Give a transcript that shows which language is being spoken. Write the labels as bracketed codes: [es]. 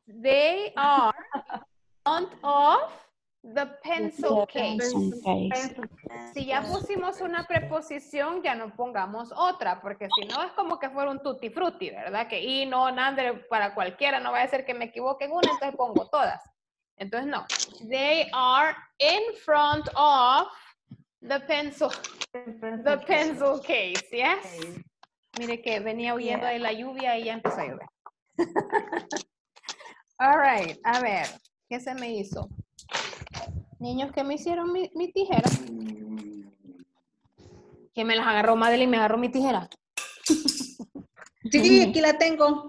[en] They are in front of the pencil case. [es] Si ya pusimos una preposición, ya no pongamos otra, porque si no es como que fuera un tutti frutti, ¿verdad? Que in, on, under, para cualquiera, no va a ser que me equivoque en una, entonces pongo todas. Entonces no. [en] They are in front of the pencil case, yes. [es] Mire que venía huyendo de la lluvia y ya empezó a llover. All right, a ver, ¿qué se me hizo? Niños, ¿qué me hicieron mi tijera? ¿Quién me las agarró, Madeline? ¿Me agarró mi tijera? Sí, aquí la tengo.